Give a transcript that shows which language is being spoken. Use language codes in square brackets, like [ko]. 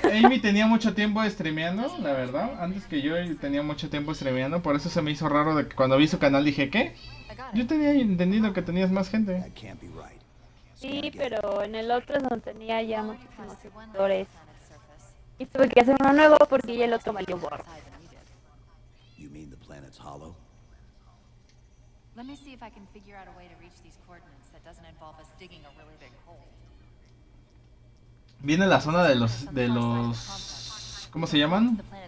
[es] Sí, Amy tenía mucho tiempo streameando, la verdad. Antes que yo tenía mucho tiempo streameando, por eso se me hizo raro de que cuando vi su canal dije, ¿qué? Yo tenía entendido que tenías más gente. Sí, pero en el otro es donde tenía ya muchísimos seguidores. Y tuve que hacer uno nuevo porque ya el otro valió gorro. [en] You mean the planet's hollow? Let me see if I can figure out a way to reach these coordinates that doesn't involve us digging a really big hole. [es] Viene la zona de los ¿cómo se llaman?